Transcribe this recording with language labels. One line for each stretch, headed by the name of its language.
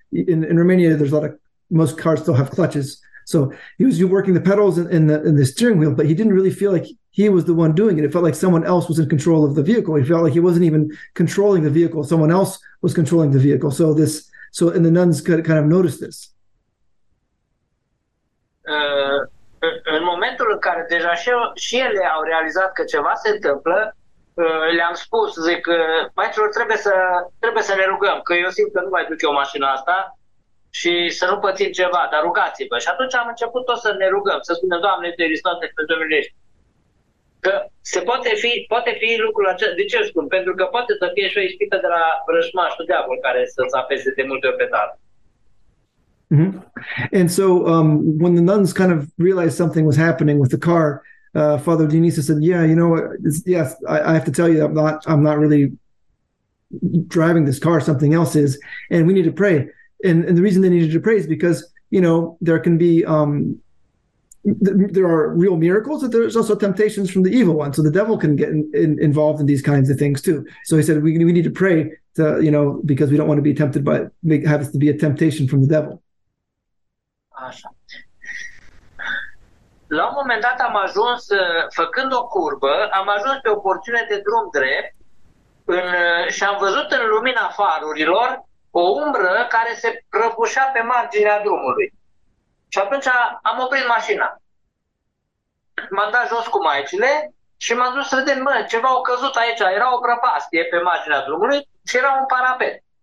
English: In Romania, there's a lot of, most cars still have clutches. So he was working the pedals and the steering wheel, but he didn't really feel like he was the one doing it. It felt like someone else was in control of the vehicle. He felt like he wasn't even controlling the vehicle. Someone else was controlling the vehicle. So and the nuns kind of noticed this.
Romanian: În momentul în care deja și ele au realizat că ceva se întâmplă, le-am spus, zic, băieților, trebuie să ne rugăm, că eu simt că nu mai duc eu mașina asta. Și să nu pățim ceva, dar rugați-vă. Și atunci am început tot să ne rugăm, să spunem, Doamne, Te risnoate pe Dumnezeu. Că se poate fi lucrul acesta, de ce spun? Pentru că poate să fie și o ispită de la vrăjmașul diavol care să-ți apese de multe ori pe dar. Mm-hmm.
English: And so when the nuns kind of realized something was happening with the car, Father Dionisio said, yeah, you know what, yes, I have to tell you, I'm not really driving this car, something else is, and we need to pray. And the reason they needed to pray is because, there can be, there are real miracles, but there's also temptations from the evil one. So the devil can get involved in these kinds of things too. So he said, we need to pray to, because we don't want to be tempted by, have this to be a temptation from the devil.
Romanian: Așa. La un moment dat am ajuns, făcând o curbă, am ajuns pe o porțiune de drum drept și am văzut în lumina farurilor o umbră care se prăbușea pe marginea drumului. Și atunci am oprit mașina. M-am dat jos cu maicile și m-am dus să vedem, ceva au căzut aici, era o prăpastie pe marginea drumului și era un parapet.